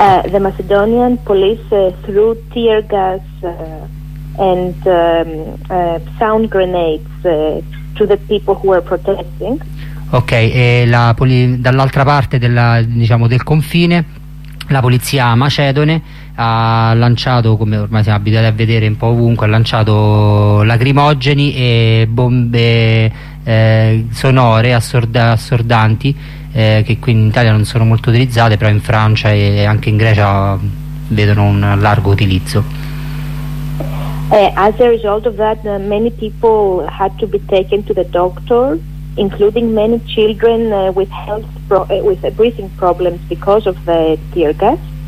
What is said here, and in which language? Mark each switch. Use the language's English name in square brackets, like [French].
[English] The Macedonian police threw tear gas and sound grenades to the people who were protesting. [Italian] Ok, e dall'altra parte del confine, la polizia macedone ha lanciato, come ormai siamo abituati a vedere un po' ovunque, ha lanciato lacrimogeni e bombe sonore assordanti, che qui in Italia non sono molto utilizzate, però in Francia e anche in Grecia vedono un largo utilizzo. [English] As a result of that, many people had to be taken to the doctor, including many children with breathing problems because of the tear gas.